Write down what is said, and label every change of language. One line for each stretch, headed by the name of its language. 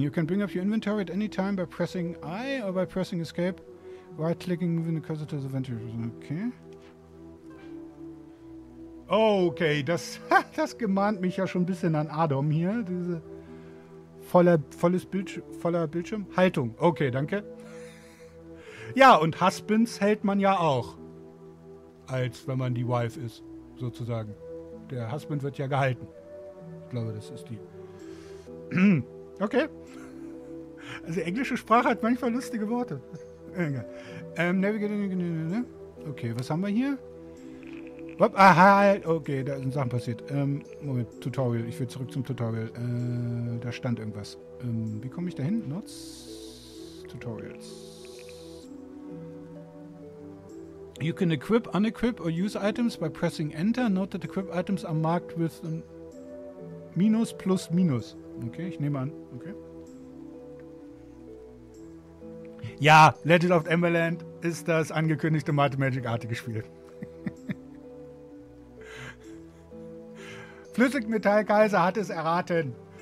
English: You can bring up your inventory at any time by pressing I or by pressing escape. Right clicking, moving the cursor to the inventory. Okay.
German: Okay, das gemahnt mich ja schon ein bisschen an Adam hier. Diese voller Bildschirm. Haltung. Okay, danke. Ja, und Husbands hält man ja auch. Als wenn man die Wife ist, sozusagen. Der Husband wird ja gehalten. Ich glaube, das ist die. Okay. Also, englische Sprache hat manchmal lustige Worte. Navigating. Okay, was haben wir hier? Okay, da sind Sachen passiert. Moment, Tutorial. Ich will zurück zum Tutorial. Da stand irgendwas. Wie komme ich da hin? Nutz Tutorials.
English: You can equip, unequip or use items by pressing Enter. Note that equip items are marked with minus plus minus.
German: Okay, ich nehme an. Okay. Ja, Legend of Emberland ist das angekündigte Might & Magic-artige Spiel. Flüssigmetallkaiser hat es erraten.